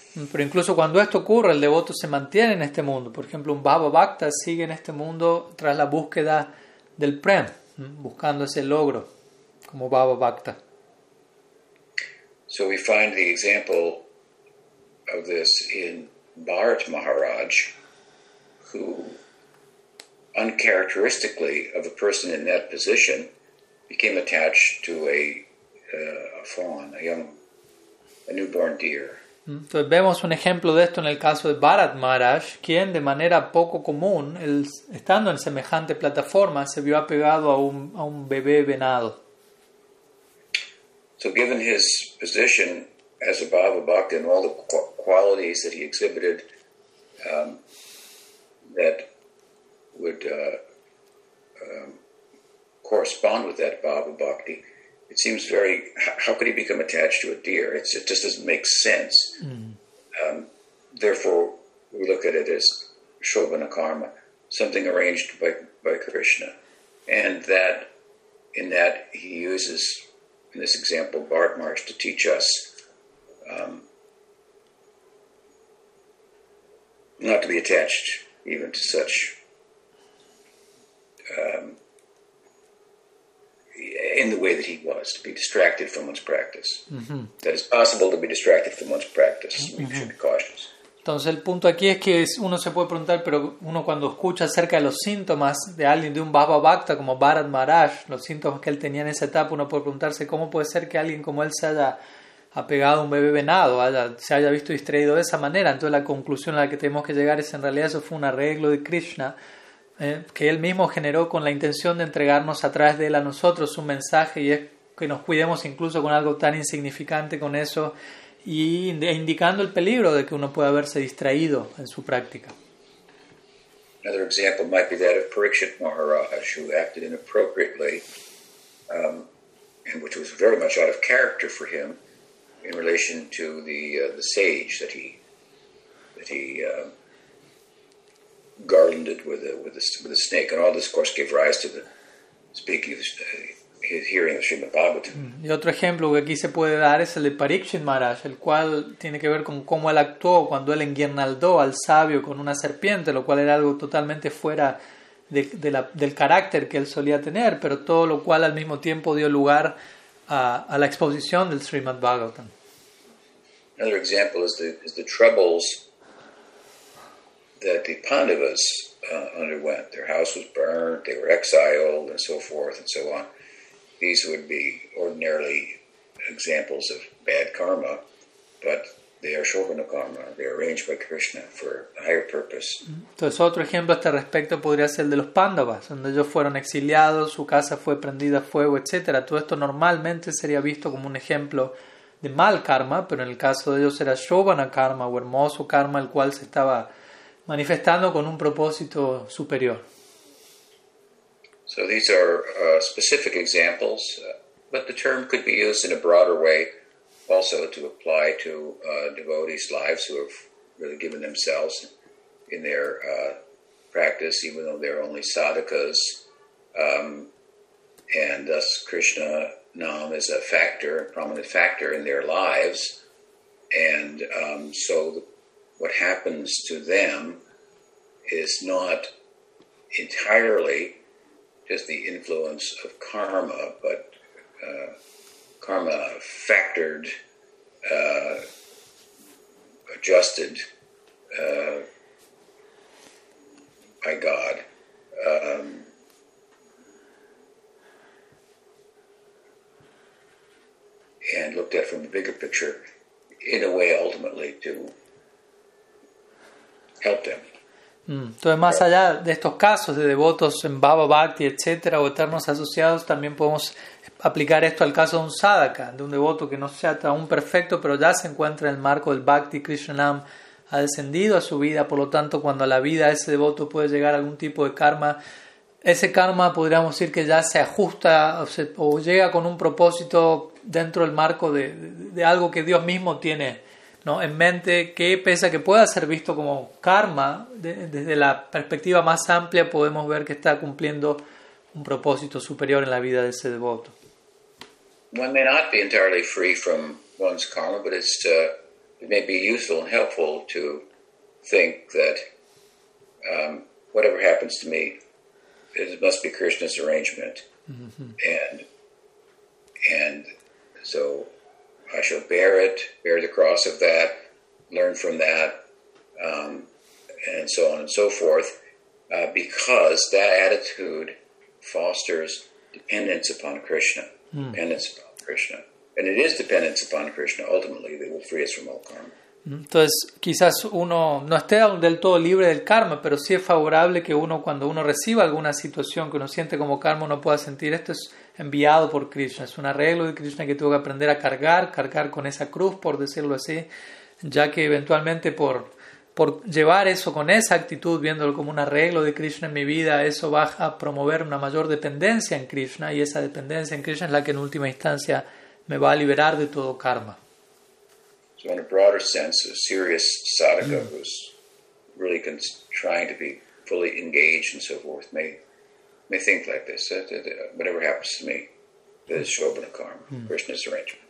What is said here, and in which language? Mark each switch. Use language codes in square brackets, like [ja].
[es] Pero incluso cuando esto ocurre, el devoto se mantiene en este mundo. Por ejemplo, un Bhava Bhakta sigue en este mundo tras la búsqueda del Prem, buscando ese logro como Bhava Bhakta. [en] So we find the example of this in Bharat Maharaj, who uncharacteristically of a person in that position became attached to a fawn, a newborn deer. [es] Entonces vemos un ejemplo de esto en el caso de Bharat Maharaj, quien de manera poco común, él, estando en semejante plataforma, se vio apegado a un bebé venado. [en] So given his position as a Bhava Bhakta and all the qualities that he exhibited, that would correspond with that Bhava Bhakti, it seems very, how could he become attached to a deer? It just doesn't make sense. Therefore, we look at it as shobhana karma, something arranged by Krishna. And that, in that, he uses, in this example, Bharat Maharaj to teach us not to be attached even to such in the way that he was, to be distracted from one's practice. That is possible to be distracted from one's practice. We should be cautious. [es] Entonces el punto aquí es que uno se puede preguntar, pero uno cuando escucha acerca de los síntomas de alguien, de un Bhava Bhakta como Bharat Maharaj, los síntomas que él tenía en esa etapa, uno puede preguntarse cómo puede ser que alguien como él se haya apegado a un bebé venado, se haya visto distraído de esa manera. Entonces la conclusión a la que tenemos que llegar es, en realidad eso fue un arreglo de Krishna, que él mismo generó con la intención de entregarnos a través de él a nosotros un mensaje, y es que nos cuidemos incluso con algo tan insignificante con eso, y indicando el peligro de que uno pueda verse distraído en su práctica. [en] Another example might be that of Parikshit Maharaj, who acted inappropriately, and which was very much out of character for him in relation to the sage that he garlanded with a snake, and all this, of course, gave rise to the speaking of his hearing of Srimad Bhagavatam. [es] Y otro ejemplo que aquí se puede dar es el de Parikshit Maharaj, el cual tiene que ver con cómo él actuó cuando él enguirnaldó al sabio con una serpiente, lo cual era algo totalmente fuera del carácter que él solía tener, pero todo lo cual al mismo tiempo dio lugar a la exposición del Srimad Bhagavatam. [en] Another example is the troubles that the Pandavas underwent. Their house was burned, they were exiled, and so forth and so on. These would be ordinarily examples of bad karma, but they are shogana karma, they are arranged by Krishna for a higher purpose. [es] Entonces otro ejemplo a este respecto podría ser el de los Pandavas, donde ellos fueron exiliados, su casa fue prendida a fuego, etc. Todo esto normalmente sería visto como un ejemplo de mal karma, pero en el caso de ellos era shogana karma o hermoso karma, el cual se estaba manifestando con un propósito superior. [en] So these are specific examples, but the term could be used in a broader way also to apply to devotees' lives who have really given themselves in their practice, even though they're only sadhakas, and thus Krishna Nam is a factor, a prominent factor in their lives, and so what happens to them is not entirely just the influence of karma, but karma factored, adjusted by God. And looked at from the bigger picture, in a way, ultimately, to help them. [es] Entonces, más allá de estos casos de devotos en Bhava Bhakti, etc., o eternos asociados, también podemos aplicar esto al caso de un sadhaka, de un devoto que no sea aún perfecto, pero ya se encuentra en el marco del Bhakti. Krishnanam ha descendido a su vida, por lo tanto, cuando a la vida ese devoto puede llegar a algún tipo de karma, ese karma podríamos decir que ya se ajusta o llega con un propósito dentro del marco de algo que Dios mismo tiene, ¿no?, en mente, que pese a que pueda ser visto como karma, desde la perspectiva más amplia podemos ver que está cumpliendo un propósito superior en la vida de ese devoto. [en] One may not be entirely free from one's karma, but it's to, it may be useful and helpful to think that whatever happens to me, it must be Krishna's arrangement. Mm-hmm. And so I shall bear it, bear the cross of that, learn from that, and so on and so forth, because that attitude fosters dependence upon Krishna, dependence upon Krishna. And it is dependence upon Krishna, ultimately, that will free us from all karma. [es] Entonces, quizás uno no esté del todo libre del karma, pero sí es favorable que uno, cuando uno reciba alguna situación que uno siente como karma, uno pueda sentir esto es enviado por Krishna. Es un arreglo de Krishna que tuvo que aprender a cargar con esa cruz, por decirlo así, ya que eventualmente por llevar eso con esa actitud, viéndolo como un arreglo de Krishna en mi vida, eso va a promover una mayor dependencia en Krishna, y esa dependencia en Krishna es la que en última instancia me va a liberar de todo karma. [en] So in a broader sense, a serious sadhaka who's really trying to be fully engaged and so forth may think like this, that whatever happens to me, that is shobhana karma, Krishna's arrangement.